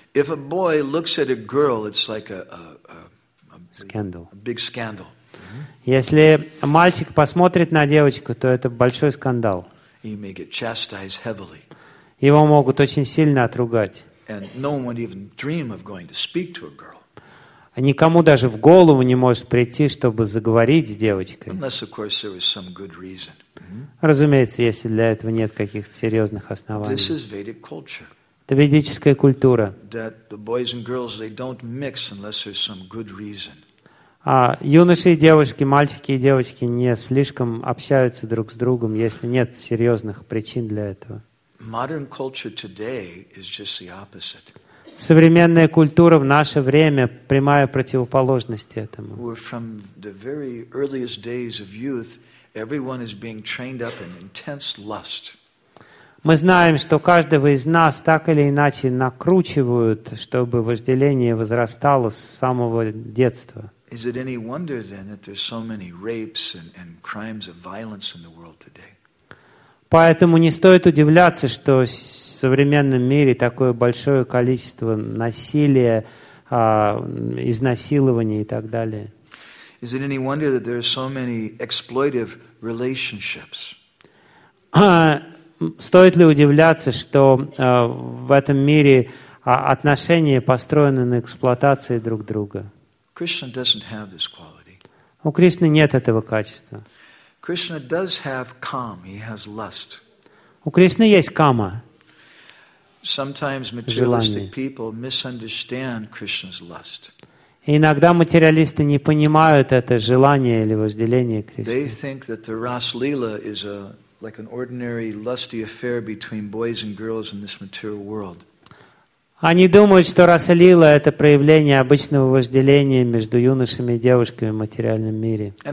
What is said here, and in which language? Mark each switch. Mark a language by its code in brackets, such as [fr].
[en] If a boy looks at a girl, it's like a scandal. A big scandal. Mm-hmm. [ru] Если мальчик посмотрит на девочку, то это большой скандал. [en] He may get chastised heavily. [ru] Его могут очень сильно отругать. [en] And no one would even dream of going to speak to a girl. [ru] Никому даже в голову не может прийти, чтобы заговорить с девочкой. [en] Unless, of course, there was some good reason. [ru] Разумеется, если для этого нет каких-то серьезных оснований. [en] This is Vedic culture. [ru] Это ведическая культура. [en] That the boys and girls, they don't mix unless there's some good reason. [ru] А юноши и девушки, мальчики и девочки не слишком общаются друг с другом, если нет серьезных причин для этого. [en] Modern culture today is just the opposite. [ru] Современная культура в наше время – прямая противоположность этому. [en] We're from the very earliest days of youth, everyone is being trained up in intense lust. [ru] Мы знаем, что каждого из нас так или иначе накручивают, чтобы вожделение возрастало с самого детства. [en] Is it any wonder, then, that there's so many rapes and crimes of violence in the world today? [ru] Поэтому не стоит удивляться, что в современном мире такое большое количество насилия, изнасилований и так далее. [en] Is it any wonder that there are so many exploitive relationships? [ru] Стоит ли удивляться, что в этом мире отношения построены на эксплуатации друг друга? [en] Krishna doesn't have this quality. [ru] У Кришны нет этого качества. [en] Krishna does have calm. He has lust. [ru] У Кришны есть кама. [en] Sometimes materialistic people misunderstand Krishna's lust. [ru] Иногда материалисты не понимают это желание или вожделение Кришны. [en] They think that the Rasleela is a like an ordinary lusty affair between boys and girls in this material world. [ru] Они думают, что Раслила – это проявление обычного вожделения между юношами и девушками в материальном мире.